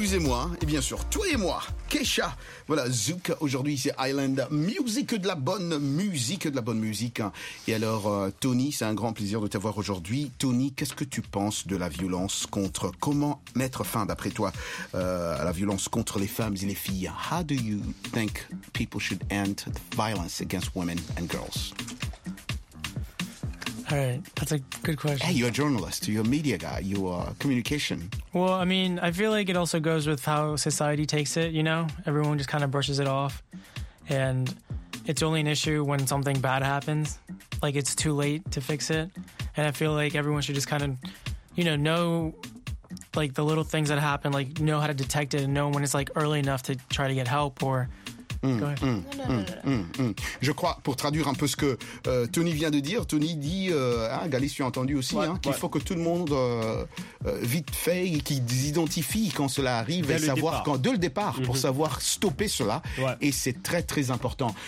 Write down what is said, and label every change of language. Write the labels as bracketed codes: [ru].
[fr] hein, et bien sûr toi et moi, Keisha. Voilà, Zouk, aujourd'hui c'est Island Music, de la bonne musique, de la bonne musique. Et alors Tony, c'est un grand plaisir de t'avoir aujourd'hui. Tony, qu'est-ce que tu penses de la violence contre, comment mettre fin d'après toi à la violence contre les femmes et les filles? [en] How do you think people should end the violence against women and girls? All right, that's a good question. Hey, you're a journalist, you're a media guy, you're communication. Well, I mean, I feel like it also goes with how society takes it, you know? Everyone just kind of brushes it off. And it's only an issue when something bad happens. Like, it's too late to fix it. And I feel like everyone should just kind of, you know, like, the little things that happen, like, know how to detect it and know when it's, like, early enough to try to get help or... [fr] Je crois, pour traduire un peu ce que Tony vient de dire, Tony dit, Galice, tu as entendu aussi, ouais, hein, qu'il faut que tout le monde vite fait, qu'ils identifient quand cela arrive dès et savoir quand, dès le départ, pour savoir stopper cela. Ouais. Et c'est très très important.